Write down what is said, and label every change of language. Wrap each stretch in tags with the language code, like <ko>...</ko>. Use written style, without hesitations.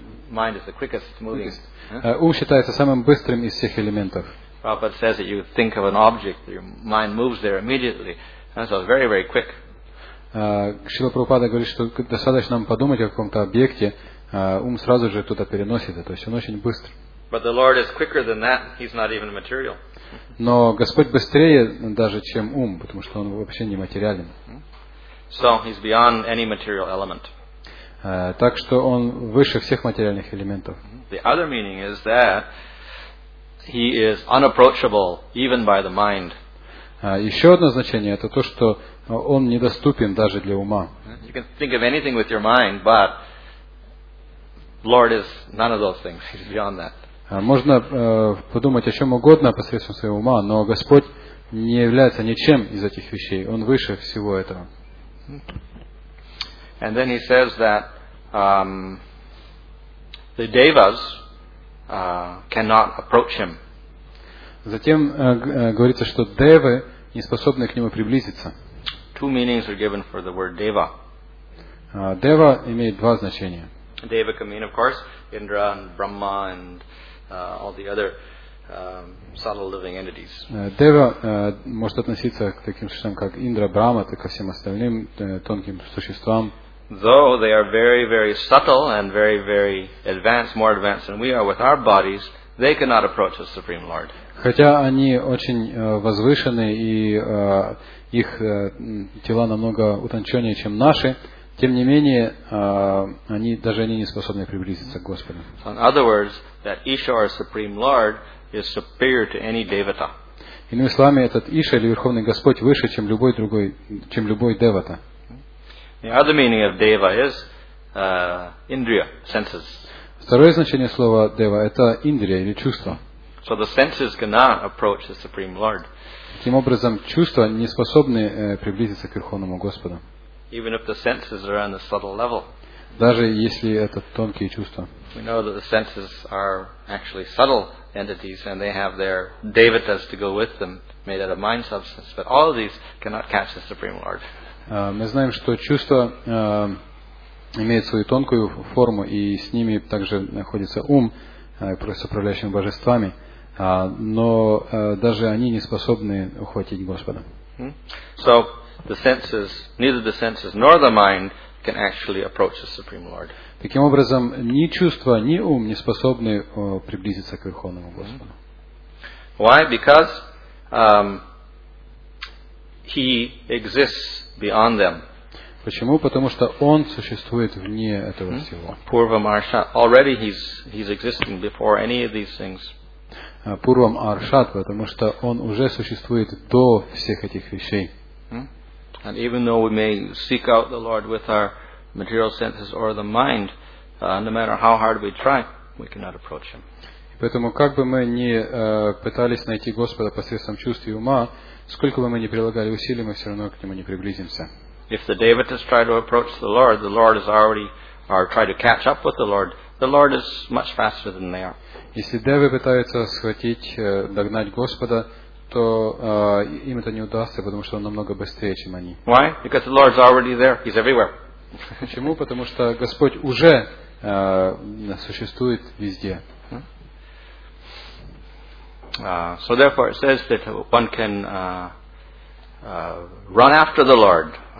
<en>Mind is the quickest moving.</en> <ru>Ум считается самым быстрым из всех элементов.</ru> <en>Prabhupada says that you think of an object, your mind moves there immediately. And so it's very, very quick.</en> <ru>Шрила Прабхупада говорит, что достаточно нам подумать о каком-то объекте, ум сразу же туда переносит это. То есть он очень быстр.</ru> <en>But the Lord is quicker than that. He's not even material.</en> <ru>Но Господь быстрее даже, чем ум, потому что он вообще не материален.</ru> <en>So he's beyond any material element.</en> <ru>Так что он выше всех материальных элементов.</ru> <en>The other meaning is that he is unapproachable even by the mind.</en> <ru>Еще одно значение это то, что он недоступен даже для ума.</ru> <en>You can think of anything with your mind, but Lord is none of those things. He's beyond that.</en> <ru>Можно подумать о чем угодно посредством своего ума, но Господь не является ничем из этих вещей. Он выше всего этого.</ru> <en>And then he says that the devas cannot approach him.</en> <ru>Затем говорится, что девы не способны к нему приблизиться.</ru> <en>Two meanings are given for the word deva.</en> <ru>Дева имеет два значения.</ru> <en>Deva can mean, of course, Indra and Brahma and all the other subtle living entities.</en> <ru>Дева может относиться к таким существам, как Индра, Брахма, так и ко всем остальным тонким существам.</ru> <en>Though they are very, very subtle and very, very advanced, more advanced than we are with our bodies, they cannot approach the Supreme Lord.</en> <ru>Хотя они очень возвышены и их тела намного утонченнее, чем наши, тем не менее они даже не способны приблизиться к Господу.</ru> <en>So in other words, that Isha or Supreme Lord is superior to any devata.</en> <ru>Иными словами, этот Иша или Верховный Господь выше, чем любой другой, чем любой девата.</ru> <en>The other meaning of deva is indriya, senses.</en> <ru>Второе значение слова дева это индрия или чувство.</ru> <en>So the senses cannot approach the Supreme Lord.</en> <ru>Таким образом, чувства не способны приблизиться к Верховному Господу.</ru> <en>Even if the senses are on the subtle level.</en> <ru>Даже если это тонкие чувства.</ru> <en>We know that the senses are actually subtle entities and they have their devatas to go with them, made out of mind substance, but all of these cannot catch the Supreme Lord.</en> <ru>Мы знаем, что чувства имеют свою тонкую форму, и с ними также находится ум, с управляющими божествами, но даже они не способны ухватить Господа.</ru> <en>So the senses, neither the senses nor the mind can actually approach the Supreme Lord.</en> <ru>Таким образом, ни чувства, ни ум не способны приблизиться к Верховному Господу.</ru> <en>Why? Because he exists beyond them.</en> <ru>Почему? Потому что он существует вне этого всего.</ru> <sa>Purvam Arshat.</sa> <en>Already he's existing before any of these things.</en> <sa>Purvam Arshat,</sa> <ru>потому что он уже существует до всех этих вещей.</ru> <en>And even though we may seek out the Lord with our material senses or the mind, no matter how hard we try, we cannot approach Him.</en> <ru>Поэтому как бы мы ни пытались найти Господа посредством чувств и ума, сколько бы мы ни прилагали усилий, мы все равно к Нему не приблизимся.</ru> <en>If the devotees try to approach the Lord, the Lord is already, or try to catch up with the Lord, the Lord is much faster than they are.</en> <ru>Если девы пытаются схватить, догнать Господа, то им это не удастся, потому что Он намного быстрее, чем они.</ru> <en>Why? Because the Lord is already there. He's everywhere.</en> <ru>Почему? Потому что Господь уже существует везде.</ru> <en>So therefore it says that one can run after the Lord.</en>